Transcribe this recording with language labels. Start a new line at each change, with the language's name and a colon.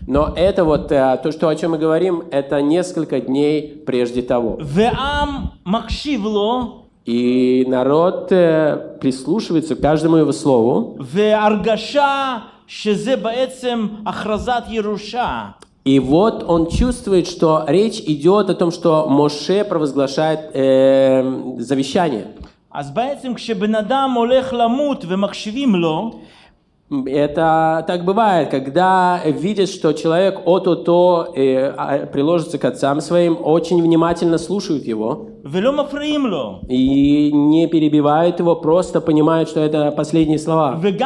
Russian: Но это вот то, что о чем мы говорим, это несколько дней прежде того.
Hebrew: ועם מקשיב לו.
Russian: И народ прислушивается к каждому его слову.
Hebrew: וארגשה שזה בעצם הכרזת ירושה.
Russian: И вот он чувствует, что речь идет о том, что Моше провозглашает завещание.
Hebrew: אז בעצם כשבן אדם הולך למות ומקשיבים לו.
Russian: Это так бывает, когда видят, что человек ото-то приложится к отцам своим, очень внимательно слушают его. И не перебивают его, просто понимают, что это последние слова.